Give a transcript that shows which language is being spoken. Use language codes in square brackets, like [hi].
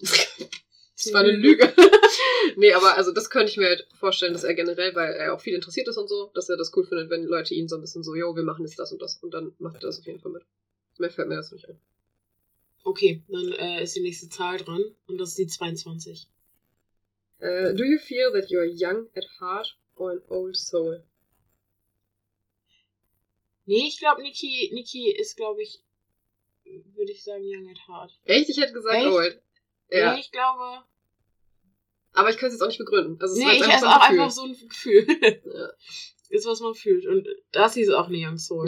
[de] Das war eine Lüge. Nee, aber also das könnte ich mir halt vorstellen, dass er generell, weil er auch viel interessiert ist und so, dass er das cool findet, wenn Leute ihn so ein bisschen so, jo, wir machen jetzt das und das. Und dann macht er das auf jeden Fall mit. Mehr fällt mir das nicht ein. Okay, dann ist die nächste Zahl dran. Und das ist die 22. [en] Do you feel that you are young at heart or an old soul? [de] Nee, ich glaube, Niki ist, glaube ich, würde ich sagen, [en] young at heart. [de] Echt? Ich hätte gesagt, echt? Old. Ja. Nee, ich glaube... Aber ich könnte es jetzt auch nicht begründen. Also, es nee, ich habe auch einfach so ein Gefühl. Ja. Ist, was man fühlt. Und Darcy ist auch eine Young Soul.